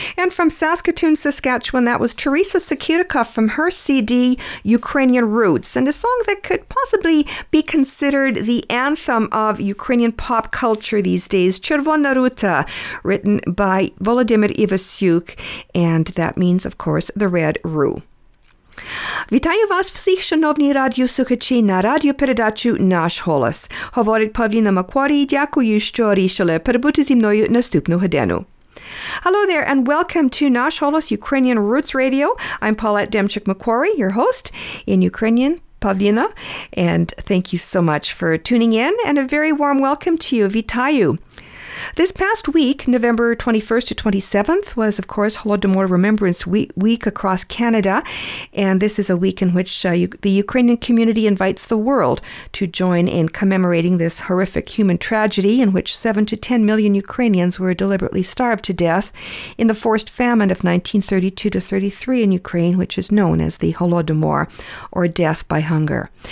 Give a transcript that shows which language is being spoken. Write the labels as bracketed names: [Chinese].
[English] From Saskatoon, Saskatchewan, that was Teresa Sekutica from her CD Ukrainian Roots, and a song that could possibly be considered the anthem of Ukrainian pop culture these days, Chervona Ruta, written by Volodymyr Ivasyuk, and that means, of course, the Red Rue. [Ukrainian] Вітаю вас всіх, шановні радіослухачі, на радіопередачу «Наш голос». Говорить Павліна Макварі, дякую, що рішили перебути зі мною наступну годину. [English] Hello there, and welcome to Nash Holos Ukrainian Roots Radio. I'm Paulette Demchuk-McQuarrie, your host in Ukrainian, Pavlina, and thank you so much for tuning in, and a very warm welcome to you, Vitayu. This past week, November 21st to 27th, was, of course, Holodomor Remembrance Week across Canada, and this is a week in which the Ukrainian community invites the world to join in commemorating this horrific human tragedy in which 7 to 10 million Ukrainians were deliberately starved to death in the forced famine of 1932 to 33 in Ukraine, which is known as the Holodomor, or death by hunger.